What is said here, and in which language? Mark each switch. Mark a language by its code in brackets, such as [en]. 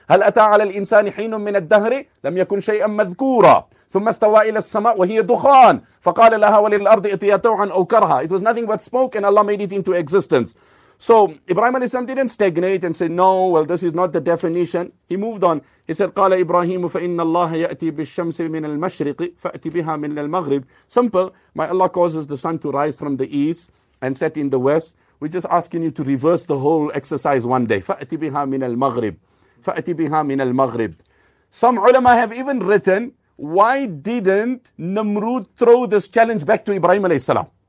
[ar] هَلْ أَتَى عَلَى الْإِنسَانِ حِينٌ مِّنَ الدَّهْرِ لَمْ يَكُنْ شَيْئًا مَذْكُورًا ثُمَّ اسْتَوَى إِلَى السَّمَاءِ وَهِيَ دُخَانٌ فَقَالَ لَهَا وَلِلْأَرْضِ اتِيَا طَوْعًا أَوْ كَرْهًا. [en] It was nothing but smoke, and Allah made it into existence. So Ibrahim alayhi salam didn't stagnate and say, no, well, this is not the definition. He moved on. He said, [ar] قَالَ إِبْرَاهِيمُ فَإِنَّ اللَّهَ يَأْتِي بِالشَّمْسِ مِنَ الْمَشْرِقِ فَأْتِ بِهَا مِنَ الْمَغْرِبِ. [en] Simple. My Allah causes the sun to rise from the east and set in the west. We're just asking you to reverse the whole exercise one day. [ar] فَأْتِ بِهَا مِنَ الْمَغْرِبِ. فَأْتِ بِهَا مِنَ الْمَغْرِبِ. [en] Some ulama have even written, why didn't Namrud throw this challenge back to Ibrahim alayhi salam?